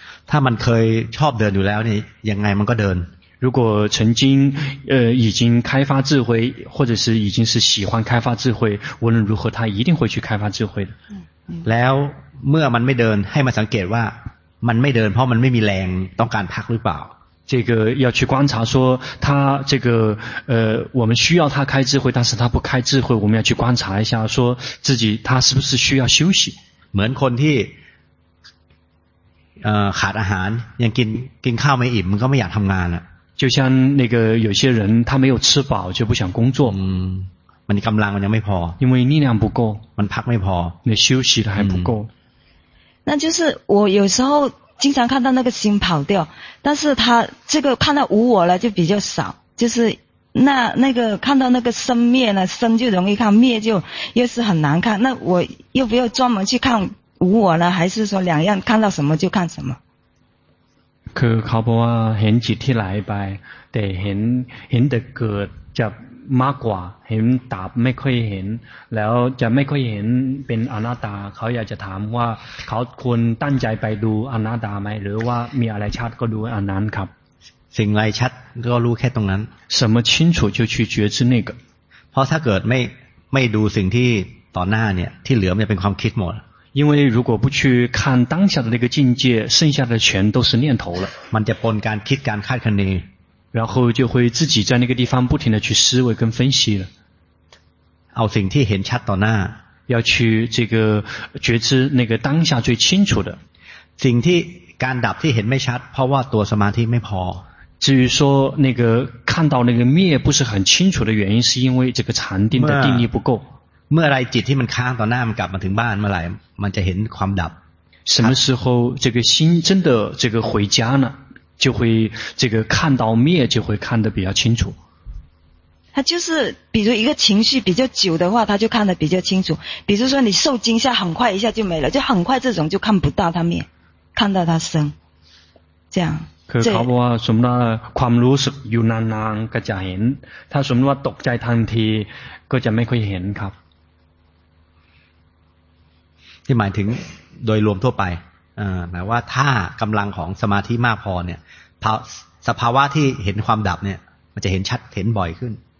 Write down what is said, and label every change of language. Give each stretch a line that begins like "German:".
Thai: ถ้ามันเคยชอบเดินอยู่แล้วนี่ยังไงมันก็เดิน
Chinese: 如果曾经已经开发智慧或者是已经是喜欢开发智慧无论如何他一定会去开发智慧的
Thai: แล้วเมื่อมันไม่เดินให้มันสังเกตว่ามันไม่เดินเพราะมันไม่มีแรงต้องการพักหรือเปล่า
Chinese: 这个要去观察说他这个我们需要他开智慧但是他不开智慧我们要去观察一下说自己他是不是需要休息
Thai: เหมือนคนที่ขาดอาหารยังกินข้าวไม่อิ่มมันก็ไม่อยากทำงานละ
Chinese: 就像那个有些人他没有吃饱就不想工作
Thai: มันกำลังมันยังไม่พอ
Chinese: 因为力量不够
Thai: มันพักไม่พอ
Chinese: 那休息的还不够那就是我有时候经常看到那个心跑掉，但是他这个看到无我了就比较少，就是那个看到那个生灭呢，生就容易看，灭就又是很难看。那我又不要专门去看无我呢，还是说两样看到什么就看什么？
Thai: คือเขาบอกว่าเห็นจิตที่ไหลไปแต่เห็นแต่เกิดจะมากกว่าเห็นดับไม่ค่อยเห็นแล้วจะไม่ค่อยเห็นเป็นอนัตตาเขาอยากจะถามว่าเขาควรตั้งใจไปดูอนัตตาไหมหรือว่ามีอะไรชัดก็ดูอันนั้นครับ สิ่งไรชัดก็รู้แค่ตรงนั้น
Chinese: 什么清楚就去觉知那个
Thai: เพราะถ้าเกิดไม่ดูสิ่งที่ต่อหน้าเนี่ยที่เหลือมันจะเป็นความคิดหมด
Chinese: 因为如果不去看当下的那个境界剩下的全都是念头了
Thai: มันจะปนการคิดการคาดคะเน
Chinese: 然后就会自己在那个地方不停的去思维跟分析了。
Thai: เอาสิ่งที่เห็นชัดต่อหน้า
Chinese: 要去这个觉知那个当下最清楚的。
Thai: สิ่งที่การดับที่เห็นไม่ชัดเพราะว่าตัวสมาธิไม่พอ
Chinese: 至于说那个看到那个灭不是很清楚的原因是因为这个禅定的定力不够。
Thai: เมื่อไรจิตที่มันค้างต่อหน้ามันกลับมาถึงบ้านเมื่อไรมันจะเห็นความดับ
Chinese: 什么时候这个心真的这个回家呢就会这个看到灭就会看得比较清楚他就是比如一个情绪比较久的话他就看得比较清楚比如说你受惊吓很快一下就没了就很快这种就看不到他灭看到他生这样可是他说什么呢
Thai: ความรู้สึกอยู่นานๆก็จะเห็น
Chinese: 他什么
Thai: ว่าตกใจทันทีก็จะไม่ค่อยเห็นครับ ที่หมายถึงโดยรวมทั่วไปหมายว่าถ้ากำลังของสมาธิมากพอเนี่ยสภาวะที่เห็นความดับเนี่ยมันจะเห็นชัดเห็นบ่อยขึ้น